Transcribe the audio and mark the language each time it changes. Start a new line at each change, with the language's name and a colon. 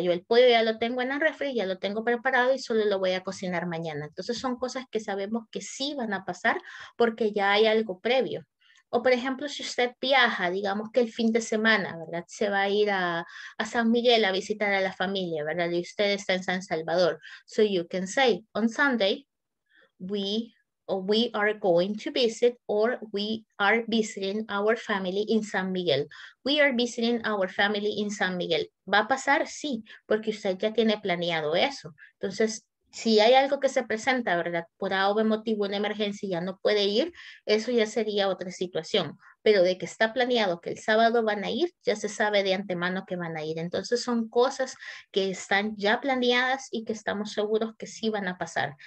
Spanish: Yo el pollo ya lo tengo en la refri, ya lo tengo preparado y solo lo voy a cocinar mañana. Entonces son cosas que sabemos que sí van a pasar porque ya hay algo previo. O, por ejemplo, si usted viaja, digamos que el fin de semana, ¿verdad? Se va a ir a San Miguel a visitar a la familia, ¿verdad? Y usted está en San Salvador.
English: So you can say, on Sunday, we are going to visit or we are visiting our family in San Miguel. We are visiting our family in San Miguel.
Spanish: ¿Va a pasar? Sí, porque usted ya tiene planeado eso. Entonces, si hay algo que se presenta, ¿verdad? Por algún motivo, una emergencia, ya no puede ir, eso ya sería otra situación. Pero de que está planeado que el sábado van a ir, ya se sabe de antemano que van a ir. Entonces son cosas que están ya planeadas y que estamos seguros que sí van a pasar.